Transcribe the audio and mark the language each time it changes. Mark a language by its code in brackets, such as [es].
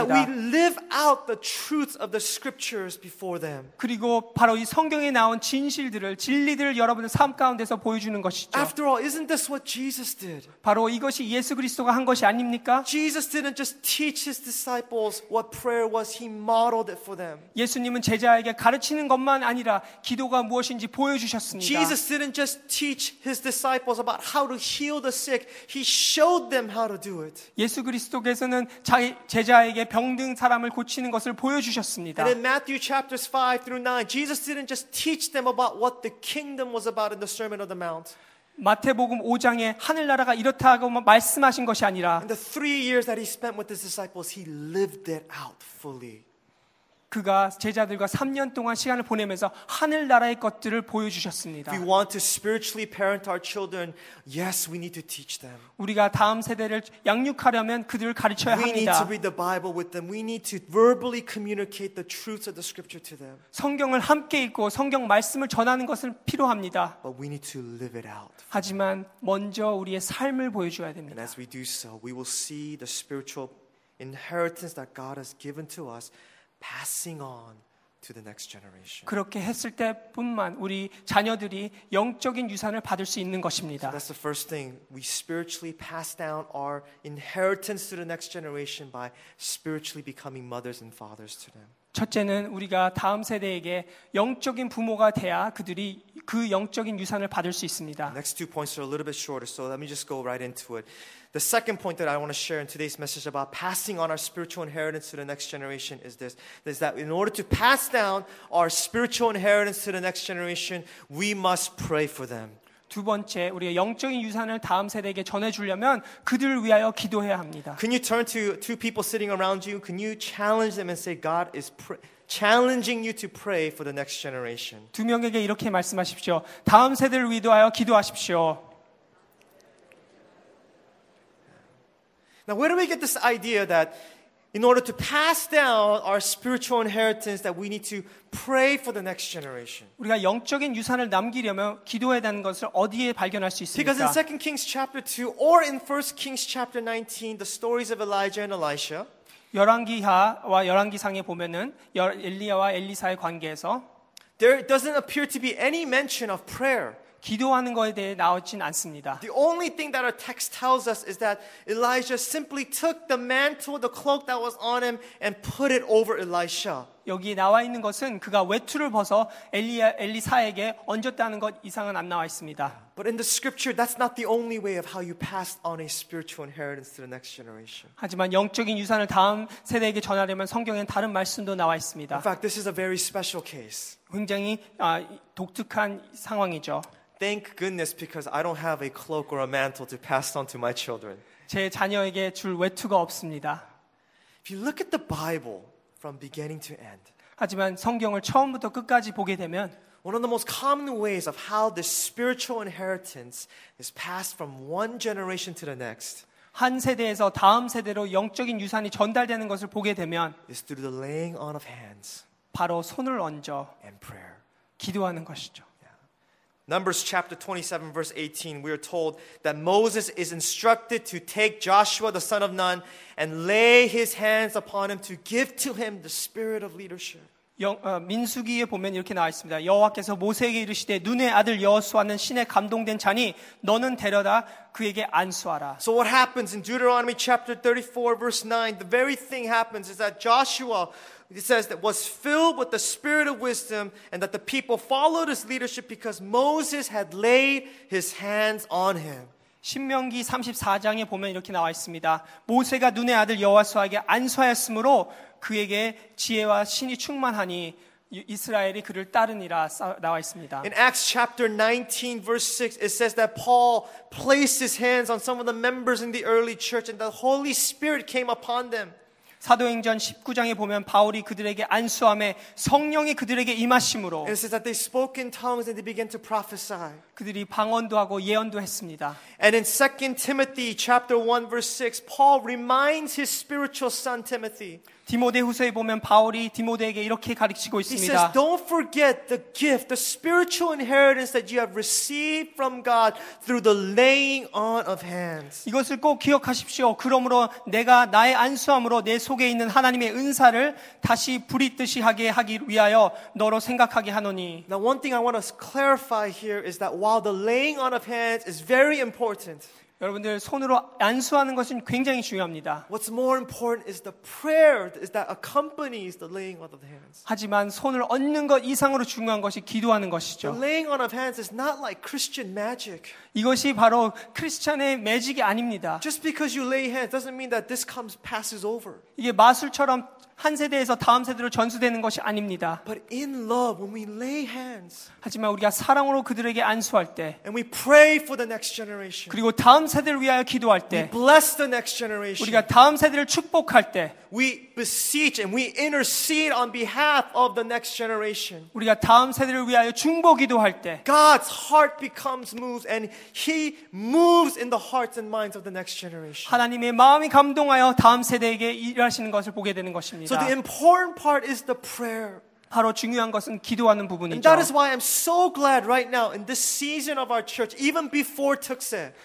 [en] And that we live out the truth of the scriptures before them. [ko] 그리고 바로 이 성경에 나온 진실들을 진리들을 여러분들 삶 가운데서 보여주는 것이죠. [en] After all, isn't this what Jesus did? [ko] 바로 이것이 예수 그리스도가 한 것이 아닙니까? [en] Jesus didn't just teach his disciples what prayer was. He modeled it for them. [ko] 예수님은 제자에게 가르치는 것만 아니라 기도가 무엇인지 보여주셨습니다. [en] Jesus didn't just teach his disciples about how to heal the sick. He showed them how to do it. [ko] 예수 그리스도께서는 자기 제자에게 병든 사람을 고치는 것을 보여주셨습니다. [en] And in Matthew chapters 5 through 9, Jesus didn't just teach them about what the kingdom was about in the Sermon on the Mount. [ko] 마태복음 5장에 하늘나라가 이렇다고 말씀하신 것이 아니라 [en] In the 3 years that he spent with his disciples, he lived it out fully. [ko] 그가 제자들과 3년 동안 시간을 보내면서 하늘나라의 것들을 보여주셨습니다. [en] If we want to spiritually parent our children, yes, we need to teach them. [ko] 우리가 다음 세대를 양육하려면 그들을 가르쳐야 합니다. [en] We need to read the Bible with them. We need to verbally communicate the truths of the scripture to them. [ko] 성경을 함께 읽고 성경 말씀을 전하는 것은 필요합니다. [en] But we need to live it out. [ko] 하지만 먼저 우리의 삶을 보여줘야 됩니다. [en] And as we do so, we will see the spiritual inheritance that God has given to us passing on to the next generation. [ko] 그렇게 했을 때뿐만 우리 자녀들이 영적인 유산을 받을 수 있는 것입니다. [en] So that's the first thing. We spiritually pass down our inheritance to the next generation by spiritually becoming mothers and fathers to them. [ko] 첫째는 우리가 다음 세대에게 영적인 부모가 돼야 그들이 그 영적인 유산을 받을 수 있습니다. [en] Next two points are a little bit shorter, so let me just go right into it. The second point that I want to share in today's message about passing on our spiritual inheritance to the next generation is this, is that in order to pass down our spiritual inheritance to the next generation, we must pray for them. [ko] 두 번째, 우리가 영적인 유산을 다음 세대에게 전해주려면 그들을 위하여 기도해야 합니다. [en] Can you turn to two people sitting around you? Can you challenge them and say, God is challenging you to pray for the next generation? [ko] 두 명에게 이렇게 말씀하십시오. 다음 세대를 위하여 기도하십시오. [en] Now, where do we get this idea that in order to pass down our spiritual inheritance that we need to pray for the next generation. [ko] 우리가 영적인 유산을 남기려면 기도해야 되는 것을 어디에 발견할 수 있습니까? [en] Because in 2 Kings chapter 2 or in 1 Kings chapter 19 the stories of Elijah and Elisha [ko] 열왕기하와 열왕기상에 보면은 엘리야와 엘리사의 관계에서 [en] there doesn't appear to be any mention of prayer. [ko] 기도하는 것에 대해 나오진 않습니다. [en] The only thing that our text tells us is that Elijah simply took the mantle, the cloak that was on him, and put it over Elisha. [ko] 여기 나와 있는 것은 그가 외투를 벗어 엘리사에게 얹었다는 것 이상은 안 나와 있습니다. [en] But in the scripture, that's not the only way of how you pass on a spiritual inheritance to the next generation. [ko] 하지만 영적인 유산을 다음 세대에게 전하려면 성경엔 다른 말씀도 나와 있습니다. [en] In fact, this is a very special case. [ko] 굉장히 독특한 상황이죠. [en] Thank goodness because I don't have a cloak or a mantle to pass on to my children. [ko] 제 자녀에게 줄 외투가 없습니다. [en] If you look at the Bible from beginning to end. [ko] 하지만 성경을 처음부터 끝까지 보게 되면 [en] one of the most common ways of how this spiritual inheritance is passed from one generation to the next. [ko] 한 세대에서 다음 세대로 영적인 유산이 전달되는 것을 보게 되면 [en] is through the laying on of hands. [ko] 바로 손을 얹어 [en] and prayer. [ko] 기도하는 것이죠. [en] Numbers chapter 27 verse 18 we are told that Moses is instructed to take Joshua the son of Nun and lay his hands upon him to give to him the spirit of leadership. [ko] 민수기에 보면 이렇게 나와 있습니다. 여호와께서 모세에게 이르시되 눈의 아들 여호수아는 신에 감동된 자니 너는 데려다 그에게 안수하라. [en] So what happens in Deuteronomy chapter 34 verse 9 the very thing happens is that Joshua It says that was filled with the spirit of wisdom and that the people followed his leadership because Moses had laid his hands on him. [ko] 신명기 34장에 보면 이렇게 나와 있습니다. 모세가 눈의 아들 여호수아에게 안수하였으므로 그에게 지혜와 신이 충만하니 이스라엘이 그를 따르니라 나와 있습니다. [en] In Acts chapter 19 verse 6 it says that Paul placed his hands on some of the members in the early church and the Holy Spirit came upon them. [ko] 사도행전 19장에 보면 바울이 그들에게 안수함에 성령이 그들에게 임하심으로 [en] It says that they spoke in tongues and they began to prophesy. [ko] 그들이 방언도 하고 예언도 했습니다. [en] And in 2 Timothy chapter 1 verse 6 Paul reminds his spiritual son Timothy. [ko] 디모데후서에 보면 바울이 디모데에게 이렇게 가르치고 있습니다. [en] He says, "Don't forget the gift, the spiritual inheritance that you have received from God through the laying on of hands." [ko] 이것을 꼭 기억하십시오. 그러므로 내가 나의 안수함으로 내 속에 있는 하나님의 은사를 다시 부리듯이 하게 하기 위하여 너로 생각하게 하노니. [en] Now, one thing I want to clarify here is that while the laying on of hands is very important. [ko] 여러분들 손으로 안수하는 것은 굉장히 중요합니다. [en] What's more important is the prayer that accompanies the laying on of hands. [ko] 하지만 손을 얹는 것 이상으로 중요한 것이 기도하는 것이죠. [en] The laying on of hands is not like Christian magic. [ko] 이것이 바로 크리스천의 매직이 아닙니다. [en] Just because you lay hands doesn't mean that this comes passes over. [ko] 이게 마술처럼 한 세대에서 다음 세대로 전수되는 것이 아닙니다. [en] But in love, when we lay hands, [ko] 하지만 우리가 사랑으로 그들에게 안수할 때 [en] and we pray for the next generation, [ko] 그리고 다음 세대를 위하여 기도할 때 [en] we bless the next generation, [ko] 우리가 다음 세대를 축복할 때 [en] we beseech and we intercede on behalf of the next generation, [ko] 우리가 다음 세대를 위하여 중보 기도할 때 [en] God's heart becomes moved and he moves in the hearts and minds of the next generation. [ko] 하나님의 마음이 감동하여 다음 세대에게 일하시는 것을 보게 되는 것입니다. [en] So the important part is the prayer. [ko] 바로 중요한 것은 기도하는 부분이죠. [en] And that is why I'm so glad right now in this season of our church, even before 특세.